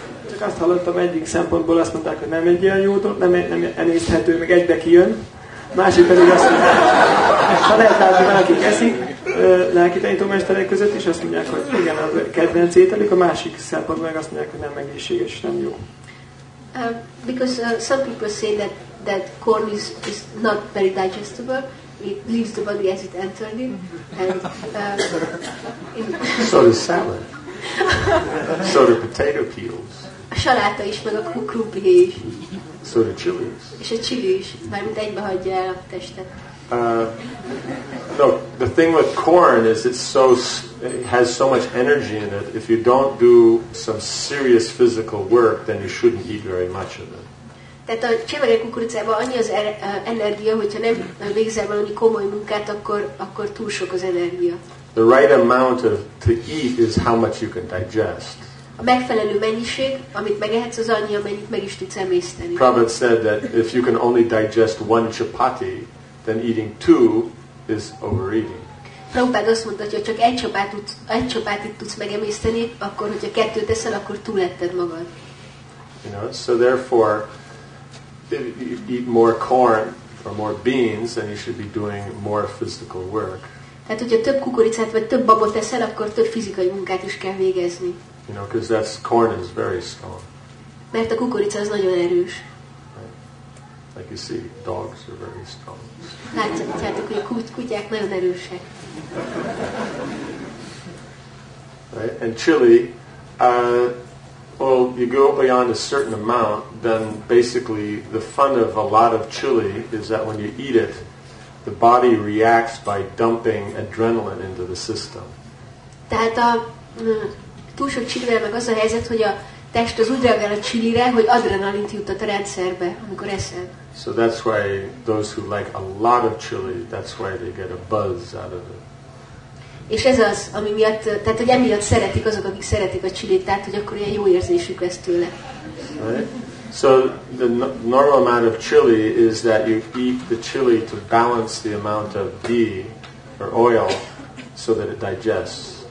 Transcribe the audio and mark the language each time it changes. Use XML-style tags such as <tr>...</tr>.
<hu>Csak azt hallottam egyik szempontból, azt mondták, hogy nem egy ilyen jó dolog, nem enészhető, meg egybe kijön. Másik pedig azt mondták, ha lehet látni, mert akik eszik, lelki tanítómesterek között, és azt mondják, hogy igen, a kedvenc ételük, a másik szempont meg azt mondják, hogy nem egészséges, nem jó.</hu> <en>Because some people say that corn is not very digestible, it leaves the body as it entered it. So does salad. So do potato peels.</en> <hu>A saláta is, meg a krumpli is.</hu> <en>So do chilies.</en> <hu>És a chili is, mármint egybe hagyja el a testet.</hu> <en>No, the thing with corn is it has so much energy in it. If you don't do some serious physical work, then you shouldn't eat very much of it.</en> <hu>Tehát a csemege kukoricában annyi az energia, hogyha nem végzel valami komoly munkát, akkor túl sok az energia.</hu> <en>The right amount to eat is how much you can digest.</en> <hu>A megfelelő mennyiség, amit megehetsz, az annyi, amennyit meg is tudsz emészteni.</hu> <en>Prabhupada said that if you can only digest one chapati, then eating two is overeating.</en> <hu>Prabhupada azt mondta, hogy ha csak egy csapátit tudsz megemészteni, akkor hogyha kettőt eszel, akkor túletted magad.</hu> <en>You know, so therefore, if you eat more corn or more beans, then you should be doing more physical work.</en> <hu>Tehát, hogyha több kukoricát vagy több babot eszel, akkor több fizikai munkát is kell végezni.</hu> <en>You know, because that's corn is very strong.</en> <hu>Mert a kukorica az nagyon erős.</hu> <en>Like you see, dogs are very strong.</en> <hu>Látjátok, hogy a kutyák nagyon erősek.</hu> <en>Right? And chili, well, you go beyond a certain amount, then basically the fun of a lot of chili is that when you eat it, the body reacts by dumping adrenaline into the system.</en> <hu>Tehát a túl sok chilivel meg az a helyzet, hogy a test az úgy reagál a chilire, hogy adrenalint juttat a rendszerbe, amikor eszel.</hu> <en>So that's why those who like a lot of chili, that's why they get a buzz out of it.</en> <hu>És ez az, ami miatt, tehát hogy emiatt szeretik azok, akik szeretik a chilit, tehát hogy akkor ilyen jó érzésük lesz tőle.</hu> <en>So the normal amount of chili is that you eat the chili to balance the amount of ghee or oil so that it digests.</en>